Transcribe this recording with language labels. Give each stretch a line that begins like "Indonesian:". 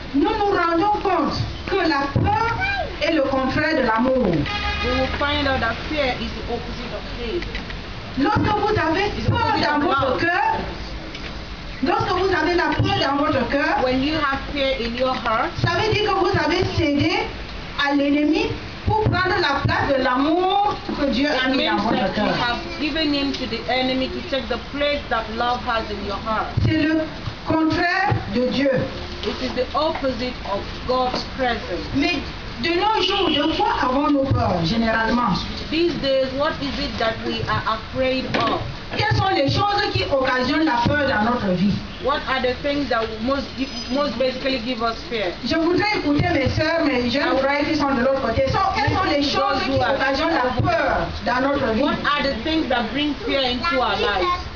French: nous nous rendons compte que la peur est le contraire de l'amour.
English: We will find out that fear is the opposite of faith.
French: Lorsque vous avez peur dans votre cœur, lorsque vous avez la peur dans votre cœur,
English: when you have fear in your heart,
French: ça veut dire que vous avez cédé à l'ennemi pour prendre la place de l'amour que Dieu a mis dans votre cœur.
English: You have given in to the enemy to take the place that love has in your heart.
French: C'est le contraire de Dieu.
English: It is the opposite of God's presence.
French: Mais de nos jours, de quoi avons-nous peur généralement?
English: These days, what is it that we are afraid of?
French: Quelles sont les choses qui occasionnent la peur dans notre vie?
English: What are the things that most basically give us fear?
French: Je voudrais écouter mes sœurs, mes jeunes frères qui sont de l'autre côté. So, quelles sont les choses qui occasionnent la peur dans notre vie?
English: What are the things that bring fear into our life?